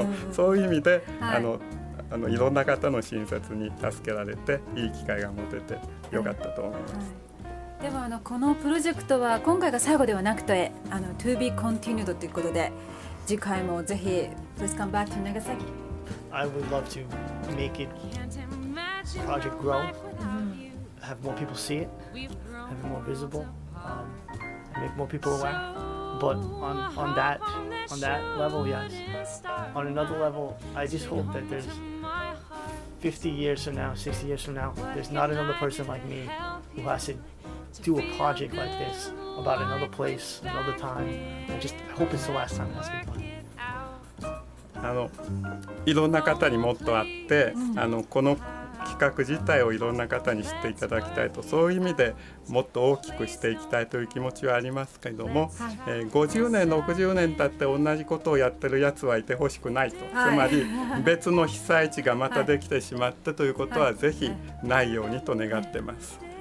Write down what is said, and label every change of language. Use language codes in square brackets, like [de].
[ja] そういう意味でいろんな方の親切に助けられて、いい機会が持てて良かったと思います。ではあのこのプロジェクトは今回が最後ではなくて、あの [en] To be continued [ja] ということで、次回もぜひ [en] Please come back to Nagasaki. I would love to make it project grow, have more people see it, have it more visible, make more people aware. But on that level, yes. On another level, I just hope that there's 50 years from now, 60 years from now, there's not another person like me who has to do a project like this about another place, another time. I just hope it's the last time it has been done. [ja] あの、いろんな方にもっと会って、あの、この企画自体をいろんな方に知っていただきたいと、そういう意味でもっと大きくしていきたいという気持ちはありますけども、50年、60年経って同じことをやってるやつはいてほしくないと、つまり別の被災地がまたできてしまったということはぜひないようにと願ってます、